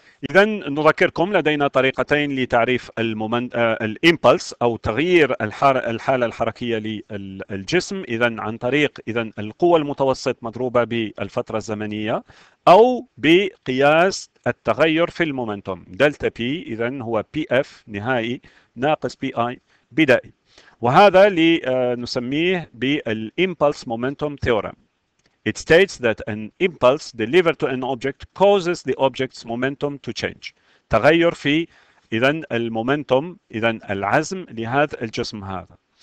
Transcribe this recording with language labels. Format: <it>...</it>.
<ar>إذا نذكركم لدينا طريقتين لتعريف الإمبلس أو تغيير الحالة الحركية للجسم، إذا عن طريق إذا القوة المتوسط مضروبة بالفترة الزمنية، أو بقياس التغير في المومنتوم دلتا بي، إذا هو بي اف نهائي ناقص بي اي بدائي، وهذا اللي نسميه بالإمبلس مومنتوم ثيورم.</ar> <en>It states that an impulse delivered to an object causes the object's momentum to change.</en> <ar>تغير في إذا المومنتوم، إذا العزم لهذا الجسم هذا.</ar>